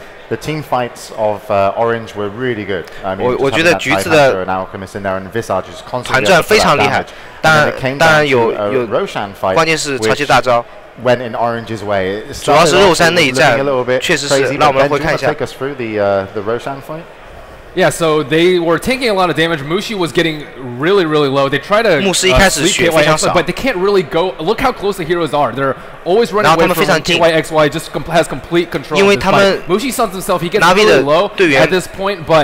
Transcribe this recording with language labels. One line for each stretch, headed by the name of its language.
English: The team fights of Orange were really good. I mean,
Chinese: 我觉得橘子的团战非常厉害，当然有
English: Roshan fight,
Chinese: 关键是超级大招。
English: Went in Orange's way.
Chinese: 主要是肉山那一战，确实是。那我们回看一下。
English: Take us through the Roshan fight. Yeah, so they were taking a lot of damage. Mushi was getting really, really low. They try to
Chinese: 牧师一开始血非常少
English: ，but they can't really go. Look how close the heroes are. They're always running away from TYXY. Just has complete control.
Chinese: 因为他们
English: Mushi sends himself. He gets really low at this point, but